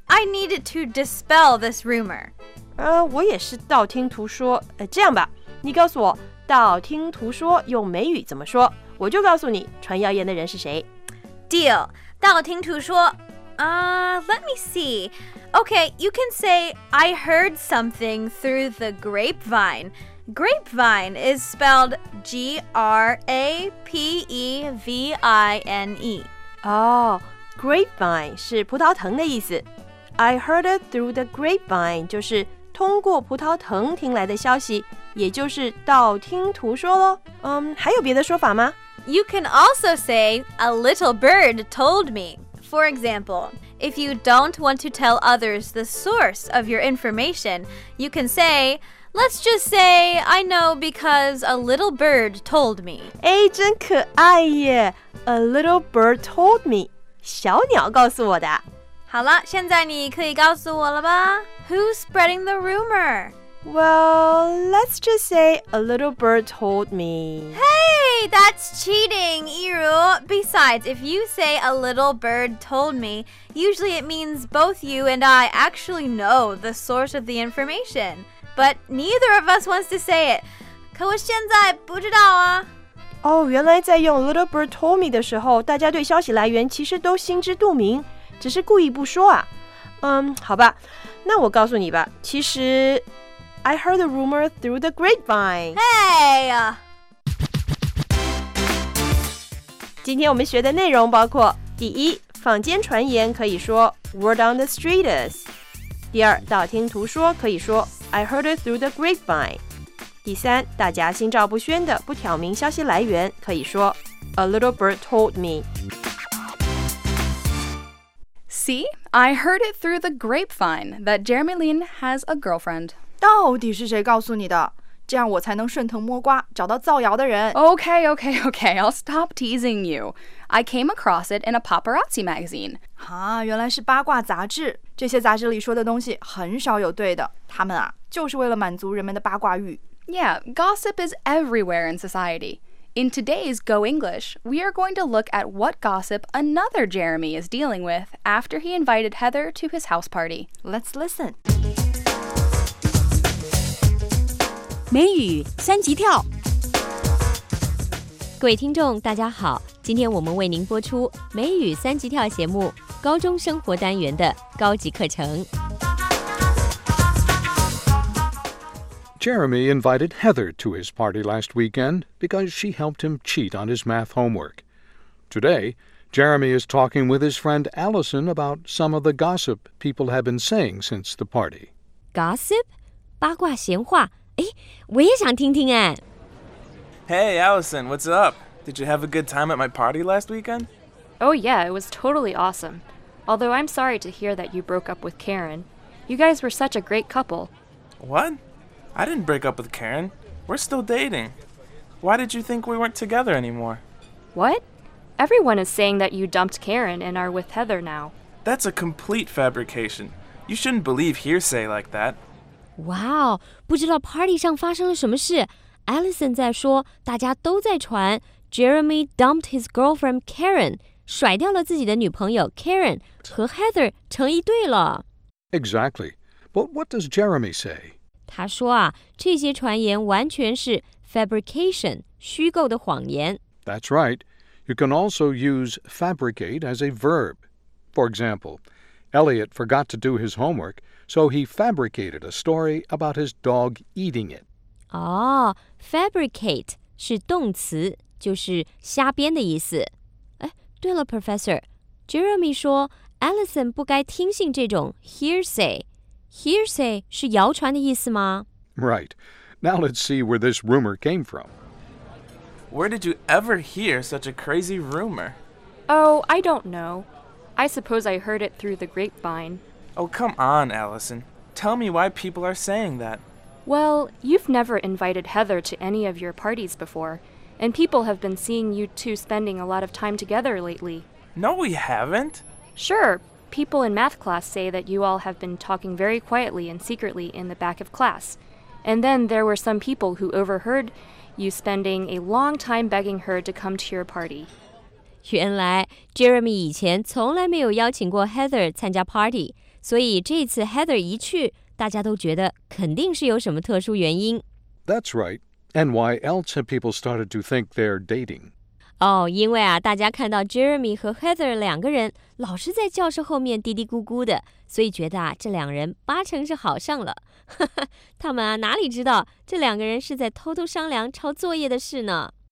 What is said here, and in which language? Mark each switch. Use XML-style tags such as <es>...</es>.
<en>I needed to dispel this rumor.</en> <zh>我也是道听途说。这样吧，你告诉我道听途说用美语怎么说，我就告诉你传谣言的人是谁。</zh> <en>Deal.</en> <zh>道听途说。</zh> <en>Let me see. Okay, you can say I heard something through the grapevine. Grapevine is spelled G-R-A-P-E-V-I-N-E.</en> <zh>Oh, grapevine 是葡萄藤的意思。</zh> <en>I heard it through the grapevine</en> <zh>就是通过葡萄藤听来的消息，也就是道听途说咯。还有别的说法吗？</zh> <en>You can also say a little bird told me. For example, if you don't want to tell others the source of your information, you can say, let's just say I know because a little bird told me.</en> <zh>哎，真可爱耶。</zh> <en>A little bird told me.</en> <zh>小鸟告诉我的。好了，现在你可以告诉我了吧？</zh> <en>Who's spreading the rumor? Well, let's just say a little bird told me. Hey, that's cheating, Yiru. Besides, if you say a little bird told me, usually it means both you and I actually know the source of the information. But neither of us wants to say it.</en> <zh>可我现在不知道啊。哦，原来在用</zh> <en>little bird told me</en> <zh>的时候，大家对消息来源其实都心知肚明。只是故意不说啊，好吧，那我告诉你吧，其实</zh> <en>I heard a rumor through the grapevine. Hey!</en> <zh>今天我们学的内容包括，第一，坊间传言可以说</zh> <en>word on the street is.</en> <zh>第二，道听途说可以说</zh> <en>I heard it through the grapevine.</en> <zh>第三，大家心照不宣的不挑明消息来源可以说</zh> <en>a little bird told me. See, I heard it through the grapevine that Jeremy Lin has a girlfriend.</en> <zh>到底是谁告诉你的？这样我才能顺藤摸瓜，找到造谣的人。</zh> <en>Okay, okay, okay, I'll stop teasing you. I came across it in a paparazzi magazine.</en> <zh>啊，原来是八卦杂志。这些杂志里说的东西很少有对的，他们啊，就是为了满足人们的八卦欲。</zh> <en>Yeah, gossip is everywhere in society. In today's Go English, we are going to look at what gossip another Jeremy is dealing with after he invited Heather to his house party. Let's listen.</en> <zh>美语三级跳。各位听众，大家好，今天我们为您播出美语三级跳节目高中生活单元的高级课程。</zh> <en>Jeremy invited Heather to his party last weekend because she helped him cheat on his math homework. Today, Jeremy is talking with his friend Allison about some of the gossip people have been saying since the party.</en> <zh>Gossip? 八卦闲话？哎，我也想听听哎。</zh> <en>Hey, Allison, what's up? Did you have a good time at my party last weekend? Oh yeah, it was totally awesome. Although I'm sorry to hear that you broke up with Karen. You guys were such a great couple. What? I didn't break up with Karen. We're still dating. Why did you think we weren't together anymore? What? Everyone is saying that you dumped Karen and are with Heather now. That's a complete fabrication. You shouldn't believe hearsay like that.</en> <zh>Wow, 不知道 party 上发生了什么事。Allison 在说，大家都在传</zh> <en>Jeremy dumped his girlfriend Karen,</en> <zh>甩掉了自己的女朋友 Karen, 和 Heather 成一对了。</zh> <en>Exactly. But what does Jeremy say?</en> <zh>他说啊，这些传言完全是 fabrication, 虚构的谎言。</zh> <en>That's right. You can also use fabricate as a verb. For example, Elliot forgot to do his homework, so he fabricated a story about his dog eating it.</en> <zh>哦、fabricate 是动词，就是瞎编的意思。哎，对了 ,Professor, Jeremy 说 Allison 不该听信这种 hearsay,Hearsay 是谣传的意思吗?</zh> <en>Right. Now let's see where this rumor came from. Where did you ever hear such a crazy rumor? Oh, I don't know. I suppose I heard it through the grapevine. Oh, come on, Allison. Tell me why people are saying that. Well, you've never invited Heather to any of your parties before, and people have been seeing you two spending a lot of time together lately. No, we haven't. Sure. People in math class say that you all have been talking very quietly and secretly in the back of class. And then there were some people who overheard you spending a long time begging her to come to your party.</en> <zh>原来 Jeremy 以前从来没有邀请过 Heather 参加 party, 所以这次 Heather 一去,大家都觉得肯定是有什么特殊原因。</zh> <en>That's right. And why else have people started to think they're dating?</en> <zh>哦、因为啊，大家看到 Jeremy 和 Heather 两个人老是在教室后面嘀嘀咕咕的，所以觉得啊，这两人八成是好上了。他们啊，哪里知道这两个人是在偷偷商量抄作业的事呢</zh>